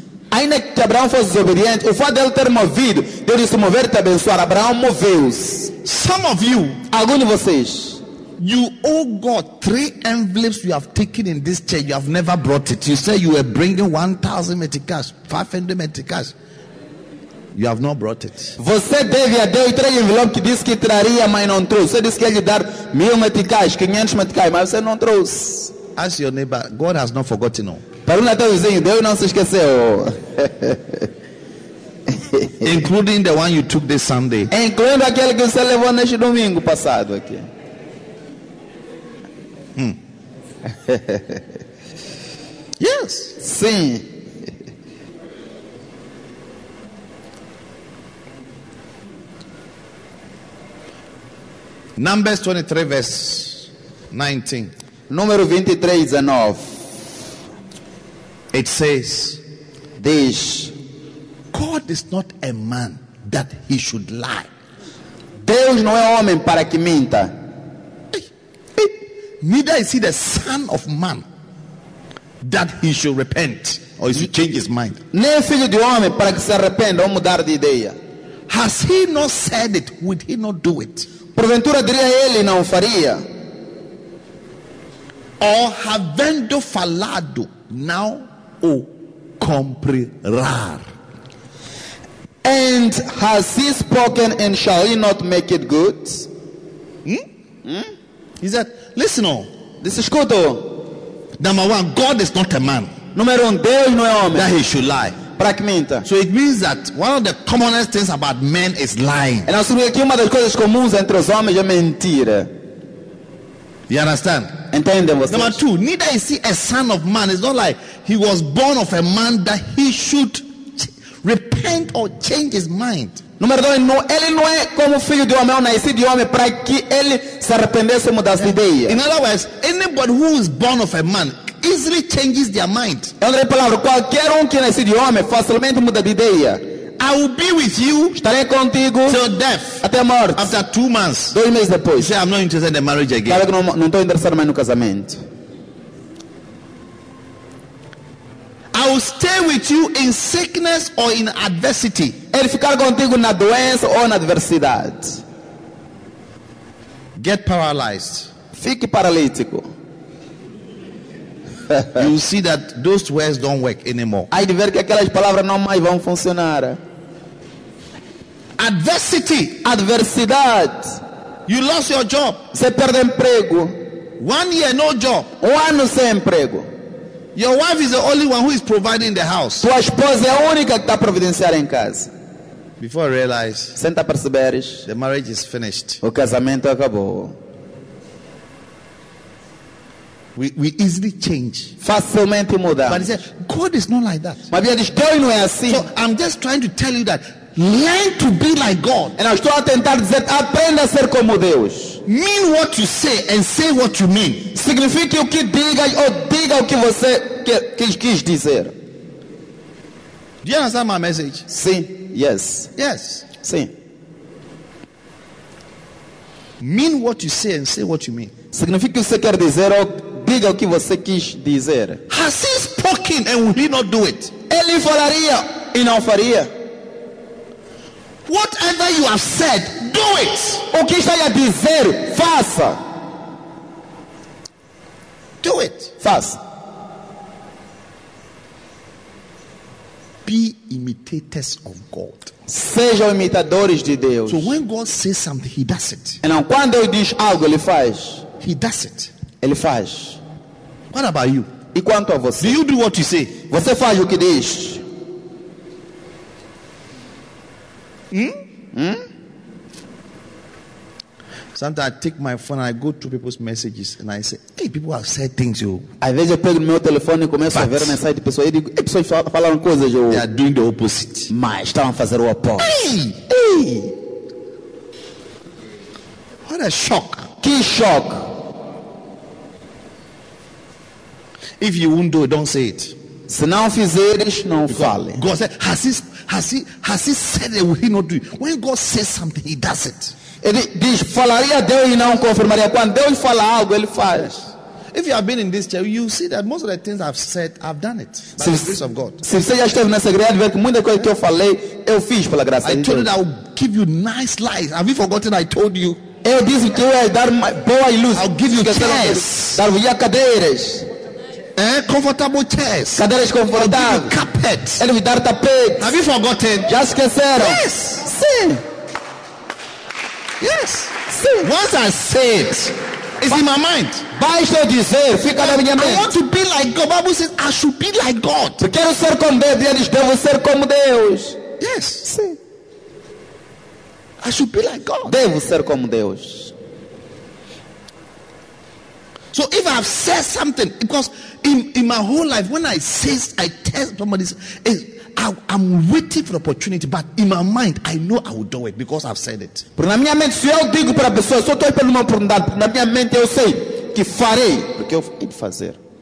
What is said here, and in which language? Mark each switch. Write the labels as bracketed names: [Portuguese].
[Portuguese] Ainda que Abraão fosse desobediente, o fato dele ter movido, Deus disse, mover, te abençoar. Abraão moveu-se. [English] Some of you, [Portuguese] alguns de vocês, [English] you owe God 3 envelopes you have taken in this chair, you have never brought it. You say you were bringing 1,000 meticas, 500 meticas. You have not brought it. [Portuguese] Você deve a Deus 3 envelopes que disse que traria, mas não trouxe. Você disse que ia lhe dar 1,000 meticais, 500 meticais, mas você não trouxe. [English] Ask your neighbor, God has not forgotten you. [Portuguese] Pergunta teu vizinho, Deus não se esqueceu. [English] Including the one you took this Sunday. [Portuguese] Incluindo aquele que você levou neste domingo passado aqui. [English] Yes. [Portuguese] Sim. [English] Numbers 23, verse 19. [Portuguese] Número 23:19. [English] It says, this, God is not a man that he should lie. [Portuguese] Deus não é homem para que minta. [English] Neither is he the son of man that he should repent or he should change his mind. [Portuguese] Nem filho de homem para que se arrependa ou mudar de ideia. [English] Has he not said it? Would he not do it? [Portuguese] Porventura diria ele não faria? Oh, havendo falado, não o cumprirá. [English] And has he spoken and shall he not make it good? He said, listen, oh. This is Koto. Number one, God is not a man. [Portuguese] Número um, Deus não é homem. [English] That he should lie. So it means that one of the commonest things about men is lying. [Portuguese] E nós vemos que uma das coisas comuns entre os homens é mentir. [English] You understand? [Portuguese] Entendem vocês? [English] Number two, neither is he a son of man. It's not like he was born of a man that he should repent or change his mind. [Portuguese] Número dois, não, ele não é como filho de homem, nascido de homem para que ele se arrependesse e mudasse de ideia. [English] In other words, anybody who is born of a man easily changes their mind. [Portuguese] Em outras palavras, qualquer que nasce de homem facilmente muda de ideia. [English] I will be with you. [Portuguese] Estarei contigo. [English] Till death. [Portuguese] Até a morte. [English] After 2 months. [Portuguese] 2 meses depois. [English] Say, I'm not interested in marriage again. [Portuguese] Claro que não, não estou interessado mais no casamento. [English] I will stay with you in sickness or in adversity. [Portuguese] Ele ficar contigo na doença ou na adversidade. [English] Get paralyzed. [Portuguese] Fique paralítico. [English] You will see that those words don't work anymore. [Portuguese] Aí de ver que aquelas palavras não mais vão funcionar. [English] Adversity. [Portuguese] Adversidade. [English] You lost your job. [Portuguese] Você perdeu emprego. [English] 1 year no job. [Portuguese] 1 ano sem emprego. [English] Your wife is the only one who is providing the house. [Portuguese] Tua esposa é a única que está providenciando em casa. [English] Before I realize, [Portuguese] senta perceberes, [English] the marriage is finished. [Portuguese] O casamento acabou. [English] We easily change. [Portuguese] Facilmente muda. [English] But he said, God is not like that. [Portuguese] Mas Deus não é assim. [English] So I'm just trying to tell you that learn to be like God. [Portuguese] E eu estou a tentar dizer, aprenda a ser como Deus. [English] Mean what you say and say what you mean. [Portuguese] Signifique o que diga ou diga o que você quis dizer. [English] Do you understand my message? [Portuguese] Sim. [English] Yes. Yes. [Portuguese] Sim. [English] Mean what you say and say what you mean. [Portuguese] Signifique o que você quer dizer ou diga o que você quis dizer. [English] Has he spoken and will he not do it? [Portuguese] Ele falaria e não faria. [English] Whatever you have said, do it. [Portuguese] O que está a dizer, faça. [English] Do it. [Portuguese] Faça. [English] Be imitators of God. [Portuguese] Sejam imitadores de Deus. [English] So when God says something, he does it. [Portuguese] E não, quando ele diz algo, ele faz. [English] He does it. [Portuguese] Ele faz. [English] What about you? [Portuguese] E quanto a você? [English] Do you do what you say? [Portuguese] Você faz o que diz. [English] Sometimes I take my phone and I go through people's messages and I say, hey, people have said things, yo. [Portuguese] Às vezes eu pego meu telefone e começo a ver mensagem de pessoas e digo, ei, pessoas falaram coisas, yo. [English] They are doing the opposite. [Portuguese] Mas estavam fazendo o oposto. Hey! [English] What a shock. [Portuguese] Que shock. [English] If you won't do it, don't say it. [Portuguese] Se não fizeres, não because fale. [English] God said, has he said it, will he not do it? When God says something, he does it. [Portuguese] Ele diz, falaria Deus e não confirmaria. Quando Deus fala algo, ele faz. [English] If you have been in this church, you see that most of the things I've said, I've done it. By the grace of God. [Portuguese] Se você já esteve nessa igreja, vê que muita coisa que eu falei, eu fiz pela graça. [English] I told you that I would give you nice lies. Have you forgotten I told you? [Portuguese] Eu disse que eu ia dar boa ilusão. [English] I'll give you chairs. [Portuguese] Dar-vos-ia cadeiras. [English] Comfortable chairs. [Portuguese] Cadeiras confortáveis. [English] Carpet. [Portuguese] Ele me dar tapete. [English] Have you forgotten? [Portuguese] Já esqueceram? [English] Yes. [Portuguese] Sim. [English] Yes. [Portuguese] Sim. [English] Once I say it, it's in my mind. [Portuguese] Basta dizer, fica na minha mente. [English] I want to be like God. Bible says I should be like God. [Portuguese] Eu quero ser como Deus. Ele diz, devo ser como Deus. [English] Yes. [Portuguese] Sim. [English] I should be like God. [Portuguese] Devo ser como Deus. [English] So if I've said something, because in my whole life, when I say, I tell somebody, I'm waiting for the opportunity, but in my mind, I know I will do it because I've said it. [Portuguese] Por na minha mente, se eu digo para a pessoa, só estou esperando uma oportunidade, na minha mente eu sei que farei, porque eu vou fazer.